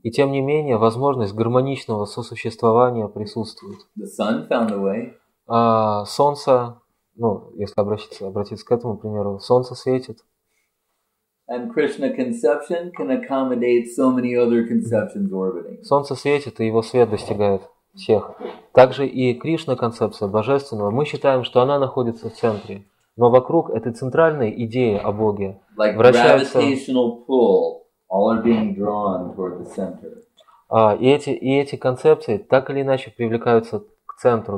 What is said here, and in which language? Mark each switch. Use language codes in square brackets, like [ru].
[ru] И тем не менее, возможность гармоничного сосуществования присутствует. [en] The sun found a way. [ru] Солнце. Ну, если обратиться к этому примеру, солнце светит. [en] And Krishna conception can accommodate so many other conceptions orbiting. [ru] Солнце светит, и его свет достигает всех. Также и Кришна концепция божественного. Мы считаем, что она находится в центре. Но вокруг этой центральной идеи о Боге вращаются... И эти концепции так или иначе привлекаются к центру.